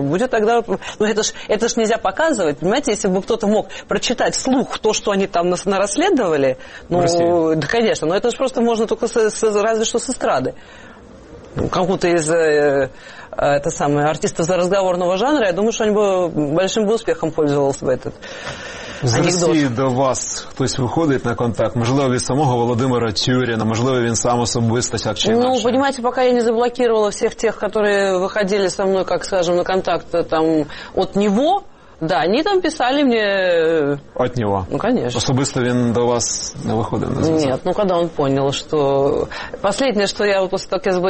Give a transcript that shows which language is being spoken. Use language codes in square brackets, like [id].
[ru] Будет тогда, ну, это ж нельзя показывать, понимаете, если бы кто-то мог прочитать вслух то, что они там нарасследовали, следовали, ну, да, конечно, но это же просто можно только разве что с эстрады. Кого-то из это самое, артистов разговорного жанра, я думаю, что они бы большим бы успехом пользовался бы этот [uk] з анекдот. Росії до вас хтось виходить на контакт? Можливо, від самого Володимира Тюріна, можливо, він сам особисто, так чи інакше? [ru] Ну, понимаете, пока я не заблокировала всех тех, которые выходили со мной, как скажем, на контакт там от него. Да, они там писали мне... От него? Ну, конечно. Особисто он до вас не выходил? Нет, ну, когда он понял, что... Последнее, что я вот после того, как я забыла...